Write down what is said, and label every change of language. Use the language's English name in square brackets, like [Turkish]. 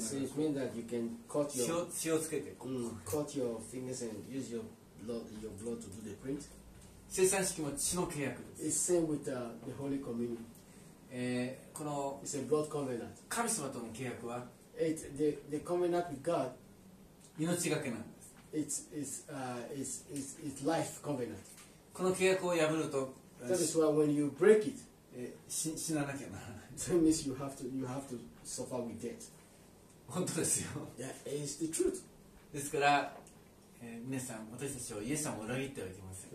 [English] So it means that you can cut your [Japanese] 血をつけて。 [English] Cut your fingers and use your blood to do the print. [Japanese] 聖餐式も血の契約です。 [English] It's same with the Holy Communion. [Japanese] この [English] It's a blood covenant. [Japanese] 神様との契約は。 [English] The covenant with God. [Japanese] 命がけなんです。 [English] It's life covenant. [Japanese] この契約を破ると。 [English] That is why when you break it. [Japanese] 死ななきゃな。 [English] That means you have to suffer with death. [Japanese] 本当ですよ。 [English] Yeah, it's the truth. [Japanese] ですから、皆さん、私たちはイエス様を裏切ってはいけません。